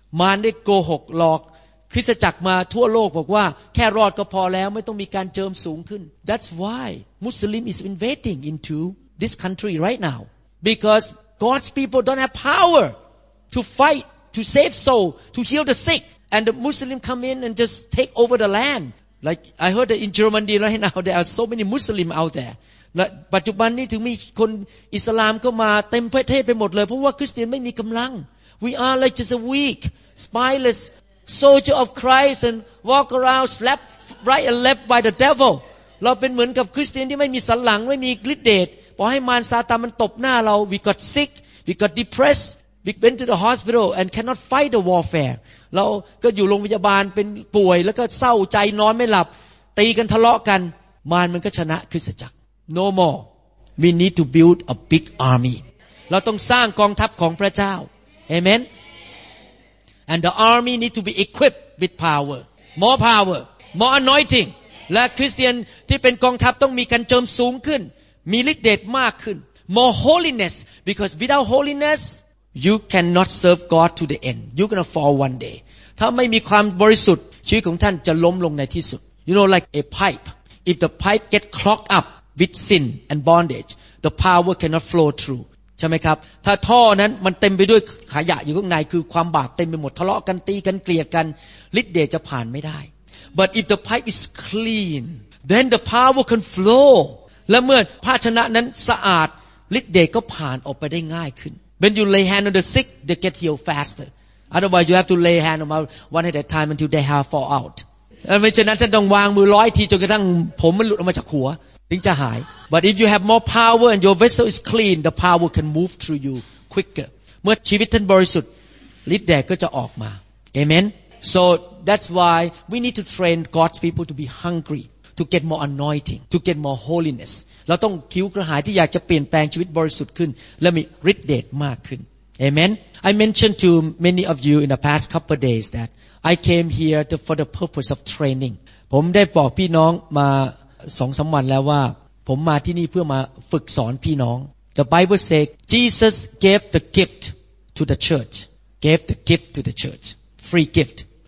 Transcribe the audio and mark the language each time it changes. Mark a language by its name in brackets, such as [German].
[Thai] มารได้โกหกหลอกคริสตจักรมาทั่วโลกบอกว่าแค่รอดก็พอแล้วไม่ต้องมีการเจิมสูงขึ้น [English] That's why Muslim is invading into this country right now because God's people don't have power to fight, to save soul, to heal the sick, and the Muslim come in and just take over the land. Like I heard that in Germany right now there are so many Muslim out there. [Thai] ณปัจจุบันนี้ถึงมีคนอิสลามเข้ามาเต็มประเทศไปหมดเลยเพราะว่าคริสเตียนไม่มีกำลัง [English] We are like just a weak, spineless soldier of Christ and walk around slapped right and left by the devil. [Thai] เราเป็นเหมือนกับคริสเตียนที่ไม่มีสันหลังไม่มีฤทธิ์เดชพอให้มารซาตานมันตบหน้าเรา [English] We got sick, we got depressed, we went to the hospital and cannot fight the warfare [Thai] เราก็อยู่โรงพยาบาลเป็นป่วยแล้วก็เศร้าใจนอนไม่หลับตีกันทะเลาะกันมารมันก็ชนะคริสตจักร [English] No more We need to build a big army [Thai] เราต้องสร้างกองทัพของพระเจ้า Amen [English] And the army need to be equipped with power More power More anointing [Thai] และคริสเตียนที่เป็นกองทัพต้องมีการเจิมสูงขึ้นมีฤทธิ์เดชมากขึ้น [English] More holiness Because without holinessYou cannot serve God to the end. You're gonna fall one day. [Thai] ถ้าไม่มีความบริสุทธิ์ชีวิตของท่านจะล้มลงในที่สุด [English] You know, like a pipe. If the pipe get clogged up with sin and bondage, the power cannot flow through. [Thai] ใช่ไหมครับถ้าท่อนั้นมันเต็มไปด้วยขยะอยู่ข้างในคือความบาปเต็มไปหมดทะเลาะกันตีกันเกลียดกันฤทธิ์เดชจะผ่านไม่ได้ [English] But if the pipe is clean, then the power can flow. [Thai] และเมื่อภาชนะนั้นสะอาดฤทธิ์เดชก็ผ่านออกไปได้ง่ายขึ้น [English] When you lay hand on the sick, they get healed faster. Otherwise, you have to lay hand on them one at a time until they have fall out. [Thai] ไม่ใช่นั้นท่านต้องวางมือร้อยทีจนกระทั่งผมมันหลุดออกมาจากหัวถึงจะหาย [English] But if you have more power and your vessel is clean, the power can move through you quicker. [Thai] เมื่อชีวิตท่านบริสุทธิ์ฤทธิ์แดดก็จะออกมา Amen. [English] So that's why we need to train God's people to be hungry, to get more anointing, to get more holiness. [Thai] เราต้องคิวกระหายที่อยากจะเปลี่ยนแปลงชีวิตบริสุทธิ์ขึ้นและมีฤทธิ์เดชมากขึ้น [English] Amen I mentioned to many of you in the past couple of days that I came here for the purpose of training [Thai] ผมได้บอกพี่น้องมา 2-3 วันแล้วว่าผมมาที่นี่เพื่อมาฝึกสอนพี่น้อง [English] The Bible says Jesus gave the gift to the church gave the gift to the church free gift